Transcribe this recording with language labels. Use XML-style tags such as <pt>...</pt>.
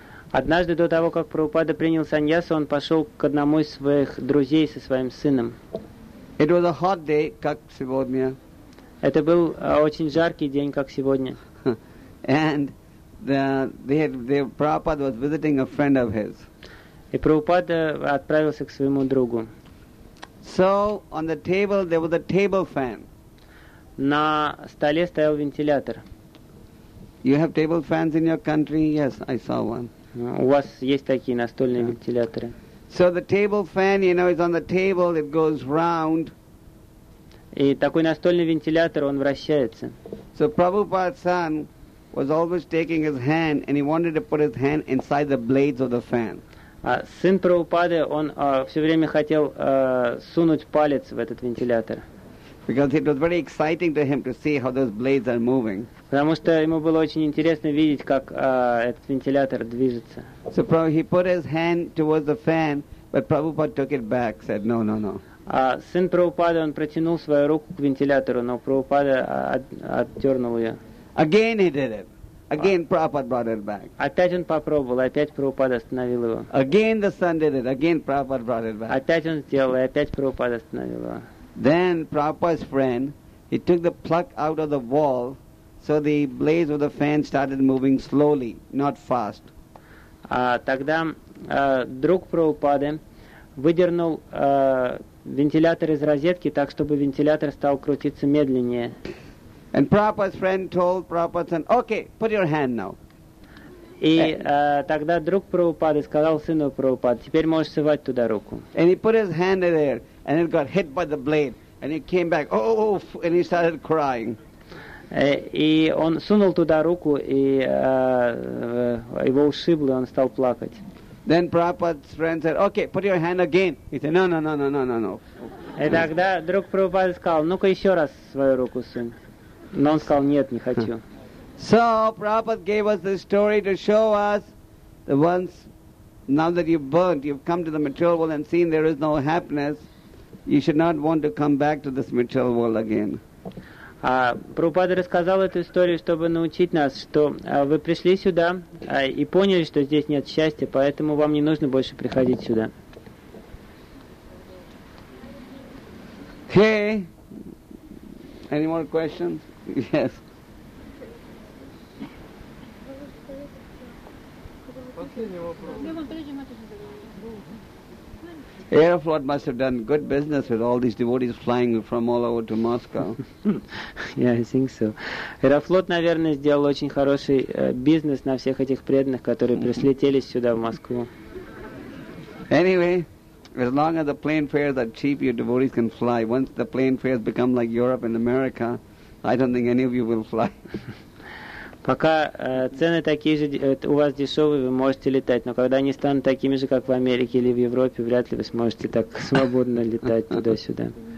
<ru>Однажды до того, как Прабхупада принял саньясу, он пошел к одному из своих друзей со своим сыном.</ru> <en>It was a hot day,</en> <ru>как сегодня. Это был очень жаркий день, как сегодня.</ru> <en>And Prabhupada was visiting a friend of his.</en> <ru>И Прабхупада отправился к своему другу.</ru> <en>So on the table there was a table fan.</en> <ru>На столе стоял вентилятор.</ru> <en>You have table fans in your country? Yes, I saw one.</en> <ru>У вас есть такие настольные вентиляторы?</ru> <en>So the table fan, you know, is on the table. It goes round.</en> <ru>И такой настольный вентилятор, он вращается.</ru> <en>So Prabhupada's son was always taking his hand, and he wanted to put his hand inside the blades of the fan.</en> <ru>Сын Прабхупады, он все время хотел сунуть палец в этот вентилятор.</ru> <en>Because it was very exciting to him to see how those blades are moving.</en> <ru>Потому что ему было очень интересно видеть, как этот вентилятор движется.</ru> <en>So Prabhupada, he put his hand towards the fan, but Prabhupada took it back, said, no, no, no.</en> <ru>Сын Прабхупады, он протянул свою руку к вентилятору, но Прабхупада отдернул ее.</ru> <en>Again he did it. Again Prabhupada brought it back.</en> <ru>Опять он попробовал, опять Прабхупада остановил его.</ru> <en>Again the son did it. Again Prabhupada brought it back.</en> <ru>Опять он сделал, и опять Прабхупада остановил его.</ru> <en>Then Prabhupada's friend, he took the plug out of the wall, so the blades of the fan started moving slowly, not fast.</en> <ru>Тогда друг Прабхупады выдернул вентилятор из розетки так, чтобы вентилятор стал крутиться медленнее.</ru> <en>And Prabhupada's friend told Prabhupada's son, okay, put your hand now.</en> <ru>И тогда друг Прабхупады сказал сыну Прабхупады, теперь можешь совать туда руку.</ru> <en>And he put his hand there, and it got hit by the blade, and he came back, oh, and he started crying.</en> <ru>И он сунул туда руку, и его ушибло, и он стал плакать.</ru> <en>Then Prabhupada's friend said, okay, put your hand again. He said, no.</en> <ru>И тогда друг Прабхупады сказал, ну-ка еще раз свою руку, сын. Но он сказал, нет, не хочу.</ru> <en>So Prabhupada gave us this story to show us that once, now that you've burnt, you've come to the material world and seen there is no happiness, you should not want to come back to this material world again.</en> <ru>Прабхупада рассказал эту историю, чтобы научить нас, что вы пришли сюда и поняли, что здесь нет счастья, поэтому вам не нужно больше приходить сюда.</ru> <en>Hey, any more questions? Yes. Aeroflot must have done good business with all these devotees flying from all over to Moscow. Yeah, I think so.</en> <ru>Aeroflot, наверное, сделал очень хороший бизнес на всех этих преданных, которые прилетели сюда в Москву.</ru> <en>Anyway, as long as the plane fares are cheap, your devotees can fly. Once the plane fares become like Europe and America, I don't think any of you will fly.</en> <ru>Пока цены такие же, у вас дешевые, вы можете летать, но когда они станут такими же, как в Америке или в Европе, вряд ли вы сможете так свободно летать туда-сюда.</ru>